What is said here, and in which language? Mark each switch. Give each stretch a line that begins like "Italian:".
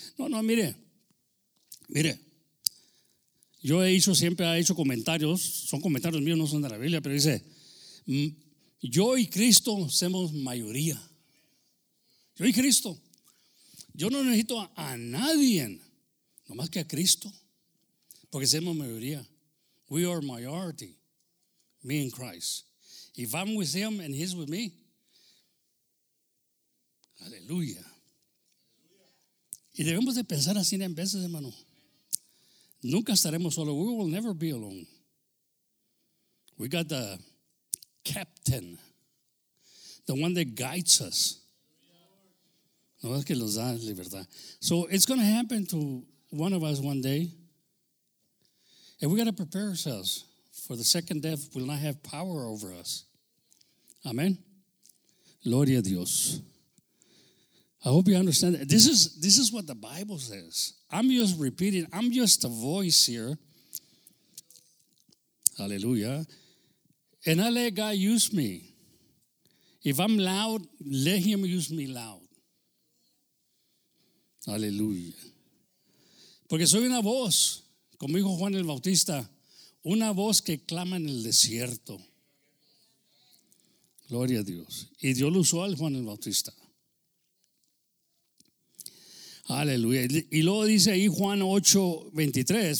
Spanish: No, mire, yo he hecho, siempre ha hecho comentarios, son comentarios míos, no son de la Biblia, pero dice, yo y Cristo somos mayoría. Yo y Cristo. Yo no necesito a nadie, nomás que a Cristo, porque somos mayoría.
English: We are majority, me and Christ. If I'm with him and he's with me, aleluya.
Spanish: Y debemos de pensar así en veces, hermano. Nunca estaremos solo.
English: We will never be alone. We got the captain, the one that guides us.
Spanish: No es que nos da libertad.
English: So it's going to happen to one of us one day. And we got to prepare ourselves for the second death will not have power over us. Amen.
Spanish: Gloria a Dios.
English: I hope you understand that. This is what the Bible says. I'm just repeating. I'm just a voice here. Hallelujah. And I let God use me. If I'm loud, let him use me loud. Hallelujah.
Spanish: Porque soy una voz, como dijo Juan el Bautista, una voz que clama en el desierto. Gloria a Dios. Y Dios lo usó al Juan el Bautista. Aleluya. Y luego dice ahí Juan 8:23.